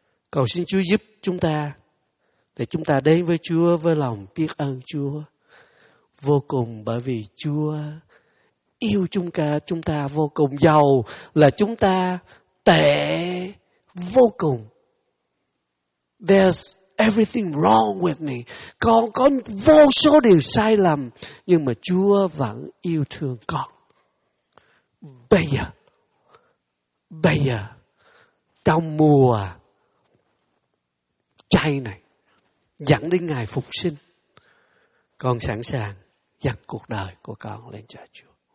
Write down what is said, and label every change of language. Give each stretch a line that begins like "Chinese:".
Vietnamese: Cầu xin Chúa giúp chúng ta, để chúng ta đến với Chúa với lòng biết ơn Chúa vô cùng, bởi vì Chúa yêu chúng ta vô cùng, giàu là chúng ta tệ vô cùng.
English: There's everything wrong with me.
Vietnamese: Con có vô số điều sai lầm, nhưng mà Chúa vẫn yêu thương con. Bây giờ, trong mùa chay này, dẫn đến ngày phục sinh, con sẵn sàng dắt cuộc đời của con lên cho Chúa.